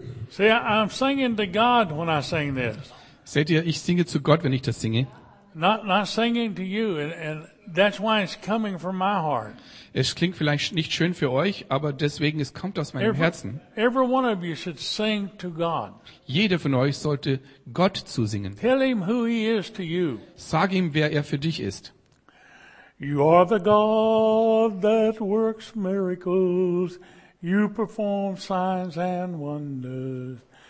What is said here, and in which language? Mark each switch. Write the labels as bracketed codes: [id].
[en] See, I'm singing to God when I sing this. [de] Seht ihr, ich singe zu Gott, wenn ich das singe. [en] Not singing to you, and that's why it's coming from my heart. [de] Es klingt vielleicht nicht schön für euch, aber deswegen es kommt aus meinem Herzen. [en] Every one of you should sing to God. [de] Jeder von euch sollte Gott zusingen. [en] Tell him who he is to you. [de] Sag ihm, wer er für dich ist. [en] You are the God that works miracles. You perform signs and wonders.